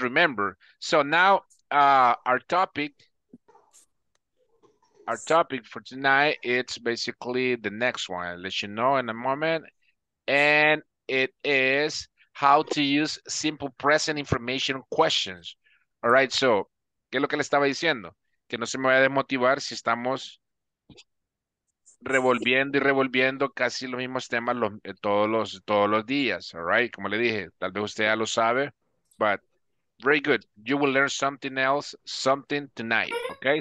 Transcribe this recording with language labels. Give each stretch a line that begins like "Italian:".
English: Remember, so now our topic for tonight, it's basically the next one. I'll let you know in a moment. And it is how to use simple present information questions. All right, so,
Spanish: ¿qué es lo que le estaba diciendo? Que no se me vaya a desmotivar si estamos revolviendo y revolviendo casi los mismos temas todos los días,
English: all right?
Spanish: Como le dije, tal vez usted ya lo sabe,
English: but very good. You will learn something else, something tonight, okay?